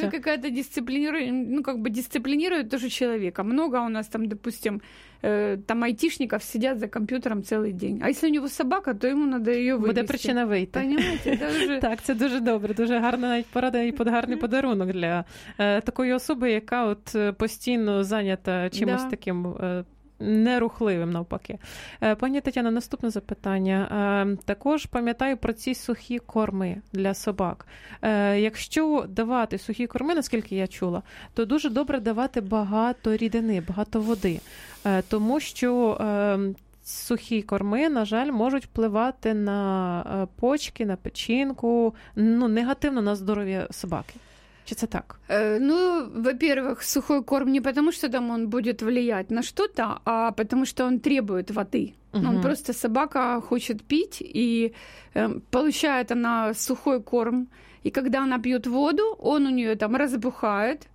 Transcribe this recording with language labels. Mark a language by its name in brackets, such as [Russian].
[Russian] Ну і какая-то дисциплінує, ну как бы дисциплінирует тоже человека. Много у нас там, допустим, там айтишников сидят за компьютером целый день. А если у него собака, то ему надо ее вывести. [Ukrainian] Буде причина вийти. [Russian] Понимаете, это уже... [Ukrainian] Так, це дуже добре, дуже гарна навіть порада і гарний подарунок для такої особи, яка от постійно зайнята чимось таким... нерухливим, навпаки. Пані Тетяна, наступне запитання. Також пам'ятаю про ці сухі корми для собак. Якщо давати сухі корми, наскільки я чула, то дуже добре давати багато рідини, багато води. Тому що сухі корми, на жаль, можуть впливати на почки, на печінку, ну, негативно на здоров'я собаки. Чи так? [Russian] Ну, во-первых, сухой корм не потому, что там он будет влиять на что-то, а потому что он требует воды. Угу. Он просто, собака хочет пить, и получает она сухой корм. И когда она пьет воду, он у нее там разбухает.